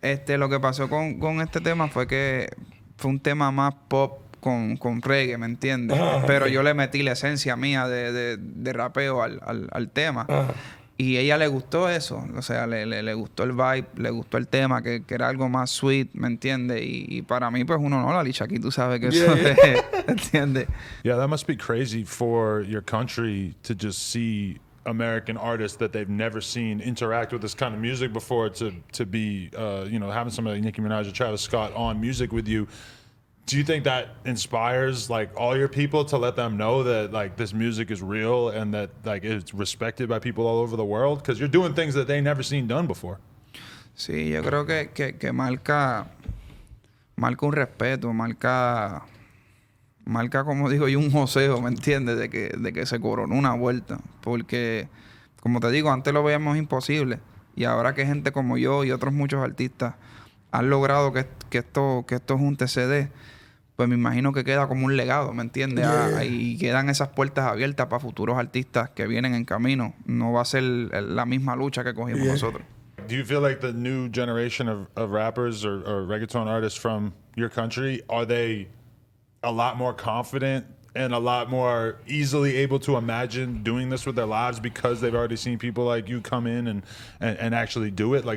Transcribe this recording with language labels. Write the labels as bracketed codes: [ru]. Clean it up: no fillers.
[es] Lo que pasó con este tema fue que fue un tema más pop con reggae, ¿me entiendes? Pero yo le metí la esencia mía de rapeo al tema. Y ella le gustó eso. O sea, le gustó el vibe, le gustó el tema, que era algo más sweet, ¿me entiendes? Y para mí, pues, uno no, la licha aquí, tú sabes que eso es, ¿entiendes? [en] Yeah, that must be crazy for your country to just see American artists that they've never seen interact with this kind of music before to be, you know, having somebody like Nicki Minaj or Travis Scott on music with you. Do you think that inspires like all your people to let them know that like this music is real and that like it's respected by people all over the world? Because you're doing things that they never seen done before. [es] Sí, yo creo que marca un respeto, marca como digo y un joseo, ¿me entiendes? De que se coronó una vuelta, porque como te digo, antes lo veíamos imposible y ahora que gente como yo y otros muchos artistas han logrado que esto junte CD, pues me imagino que queda como un legado, ¿me entiendes? Y quedan esas puertas abiertas para futuros artistas que vienen en camino. No va a ser la misma lucha que cogimos nosotros. [en] Do you feel like the new generation of rappers or reggaeton artists from your country, are they a lot more confident and a lot more easily able to imagine doing this with their lives because they've already seen people like you come in and actually do it?